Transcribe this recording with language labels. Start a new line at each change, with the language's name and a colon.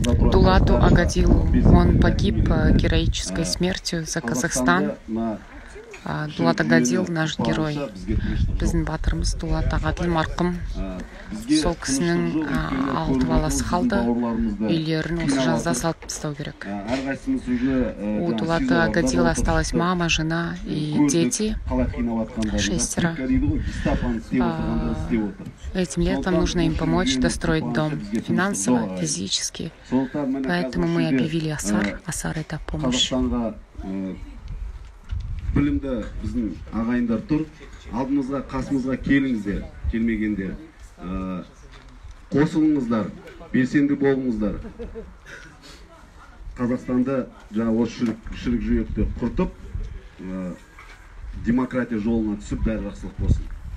Russian: Дулату Агадилу. Он погиб героической смертью за Казахстан. Дулат Агадил – наш герой.
Kazakh: Біздің батырымыз Дулат Агадил марқым. Сол кісінің алты баласы қалды, үйлерін осы жазда салып тастау керек.
Russian: У Дулата Агадил осталась мама, жена и дети, шестеро. Этим летом нужно им помочь достроить дом финансово, физически. Поэтому мы объявили Асар. Асар – это помощь.
Kazakh: Білімді біздің ағайындар тұр, алдымызға, қасымызға келіңіздер, келмегендер. Қосылыңыздар, белсенді болыңыздар. Қазақстанда жаңа осы шірік жүректі құртып, демократия жолына түсіп, бәрі жақсылық болсын.